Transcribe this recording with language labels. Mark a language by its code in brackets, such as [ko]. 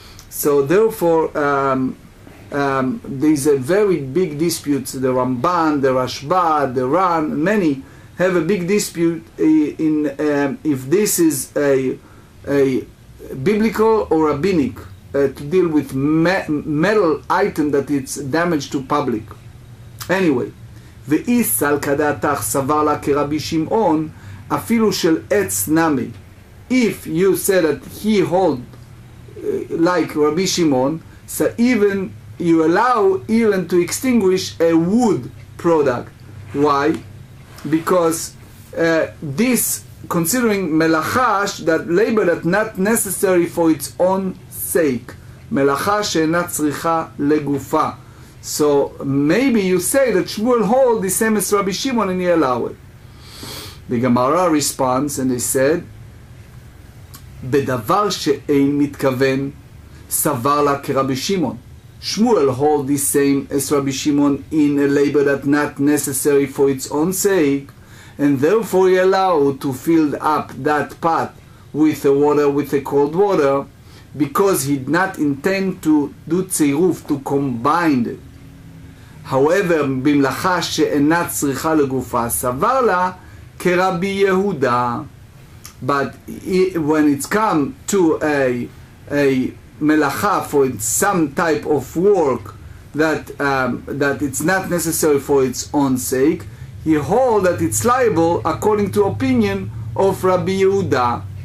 [en] So therefore, there's a very big dispute. The Ramban, the Rashba, the Ran, many have a big dispute in if this is a biblical or rabbinic to deal with metal item that it's damaged to public. [arc] Anyway, ואיס על כדעתך סבר לה כרבי שמעון אפילו של עץ נמי. [en] If you say that he hold like Rabbi Shimon, so even you allow even to extinguish a wood product. Why? Because this considering melachash, that labor that not necessary for its own sake. [he] Melachash שאינה צריכה לגופה. [en] So maybe you say that Shmuel hold the same as Rabbi Shimon and he allow it. The Gemara responds and they said, [arc] בדבר שאין מתכוון סבר לה כרבי שמעון. [en] Shmuel hold the same as Rabbi Shimon in a labor that not necessary for its own sake, and therefore he allowed to fill up that pot with the water, with the cold water, because he did not intend to do tziruf, to combine it. [arc] However, במלאכה שאינה צריכה לגופה סבר לה כרבי יהודה. [en] But when it's come to a melacha for some type of work that that it's not necessary for its own sake, he hold that it's liable according to opinion of Rabbi Yehuda.